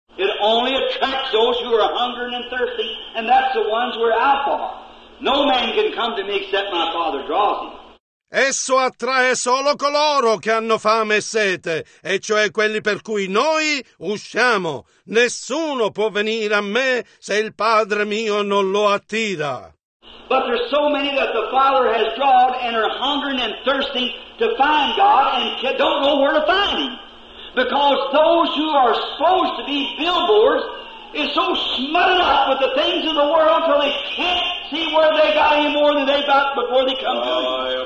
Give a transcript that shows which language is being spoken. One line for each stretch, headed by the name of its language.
English: It only attracts those who are hungering and thirsty, and that's the ones we're out for. No man can come to me except my Father draws him.
Italian: Esso attrae solo coloro che hanno fame e sete, e cioè quelli per cui noi usciamo. Nessuno può venire a me se il Padre mio non lo attira.
English: But there's so many that the Father has drawn and are hungering and thirsting to find God and don't know where to find Him. Because those who are supposed to be billboards is so smothered up with the things of the world till they can't see where they got any more than they got before they come to Him.